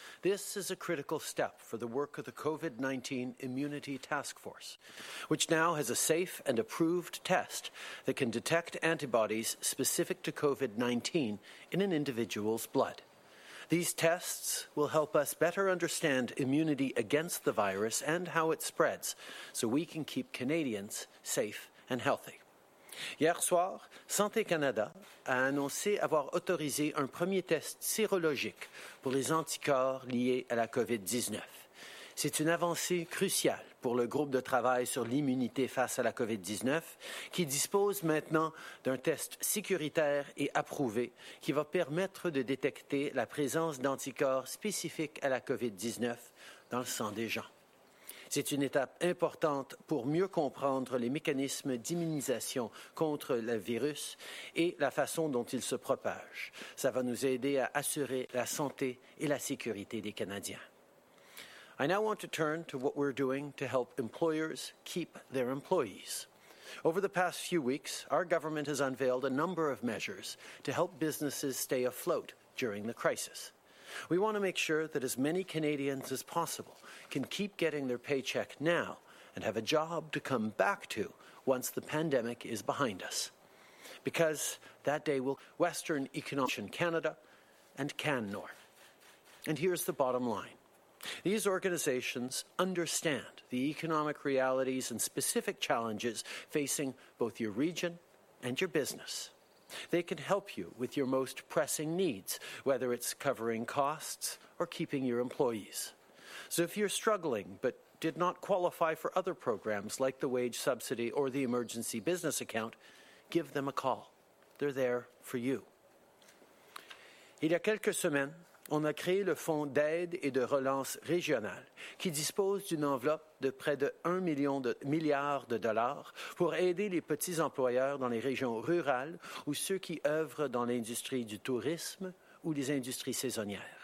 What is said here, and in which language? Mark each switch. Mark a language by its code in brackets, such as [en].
[en] This is a critical step for the work of the COVID-19 Immunity Task Force, which now has a safe and approved test that can detect antibodies specific to COVID-19 in an individual's blood. These tests will help us better understand immunity against the virus and how it spreads, so we can keep Canadians safe and healthy. [fr] Hier soir, Santé Canada a annoncé avoir autorisé un premier test sérologique pour les anticorps liés à la COVID-19. C'est une avancée cruciale pour le groupe de travail sur l'immunité face à la COVID-19 qui dispose maintenant d'un test sécuritaire et approuvé qui va permettre de détecter la présence d'anticorps spécifiques à la COVID-19 dans le sang des gens. C'est une étape importante pour mieux comprendre les mécanismes d'immunisation contre le virus et la façon dont il se propage. Ça va nous aider à assurer la santé et la sécurité des Canadiens. [en] I now want to turn to what we're doing to help employers keep their employees. Over the past few weeks, our government has unveiled a number of measures to help businesses stay afloat during the crisis. We want to make sure that as many Canadians as possible can keep getting their paycheck now and have a job to come back to once the pandemic is behind us. Because that day will Western Economic Canada and CanNor. And here's the bottom line. These organizations understand the economic realities and specific challenges facing both your region and your business. They can help you with your most pressing needs, whether it's covering costs or keeping your employees. So if you're struggling but did not qualify for other programs like the wage subsidy or the emergency business account, give them a call. They're there for you. [fr] Il y a quelques semaines, on a créé le Fonds d'aide et de relance régionale qui dispose d'une enveloppe de près de 1 milliard de dollars pour aider les petits employeurs dans les régions rurales ou ceux qui œuvrent dans l'industrie du tourisme ou les industries saisonnières.